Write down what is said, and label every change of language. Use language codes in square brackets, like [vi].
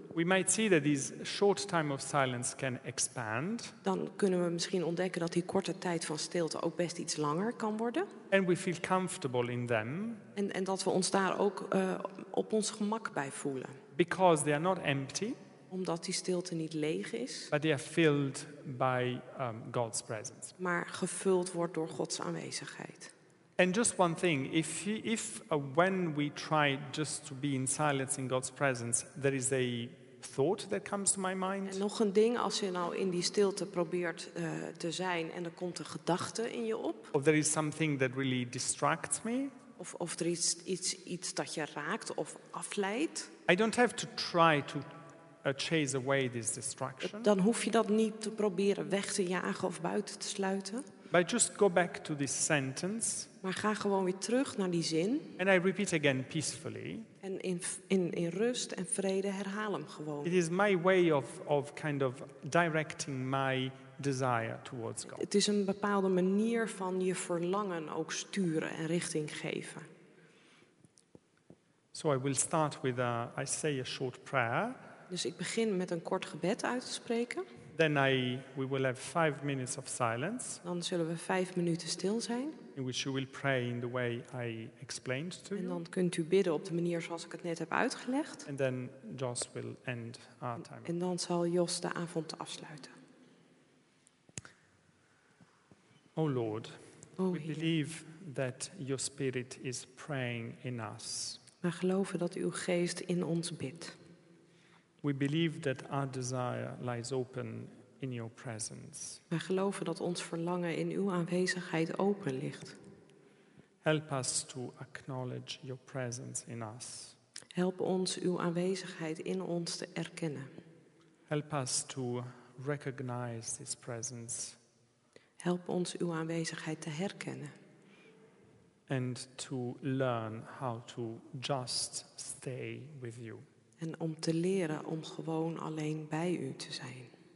[en] We might see that this short time of silence can expand. [nl] Dan kunnen we misschien ontdekken dat die korte tijd van stilte ook best iets langer kan worden. [en] And we feel comfortable in them. [nl] En dat we ons daar ook op ons gemak bij voelen. [en] Because they are not empty. [nl] Omdat die stilte niet leeg is. [en] But they are filled by God's presence. [nl] Maar gevuld wordt door Gods aanwezigheid. [en] And just one thing, if when we try just to be in silence in God's presence, there is a thought that comes to my mind. [nl] En nog een ding, als je nou in die stilte probeert te zijn en er komt een gedachte in je op. [en] Of there is something that really distracts me. [nl] Of er is iets dat je raakt of afleidt. [en] I don't have to try to chase away this distraction. [nl] Dan hoef je dat niet te proberen weg te jagen of buiten te sluiten. [en] But just go back to this sentence. [nl] Maar ga gewoon weer terug naar die zin. [en] And I repeat again peacefully. [nl] En in rust en vrede herhaal hem gewoon. [en] It is my way of kind of directing my desire towards God. [nl] Het is een bepaalde manier van je verlangen ook sturen en richting geven. [en] So I will start with I say a short prayer. [nl] Dus ik begin met een kort gebed uit te spreken. [en] Then we will have 5 minutes of silence. [nl] Dan zullen we 5 minutes stil zijn. [en] In which you will pray in the way I explained to you. [nl] En dan kunt u bidden op de manier zoals ik het net heb uitgelegd. [en] And then Jos will end our time. [nl] En dan zal Jos de avond afsluiten. [en] O Lord, we believe that your spirit is praying in us. [nl] Wij geloven dat uw geest in ons bidt. [en] We believe that our desire lies open in your presence. [nl] Wij geloven dat ons verlangen in uw aanwezigheid open ligt. [en] Help us to acknowledge your presence in us. [nl] Help ons uw aanwezigheid in ons te erkennen. [en] Help us to recognize this presence. [nl] Help ons uw aanwezigheid te herkennen. [en] And to learn how to just stay with you. [nl] En om te leren om gewoon alleen bij u te zijn.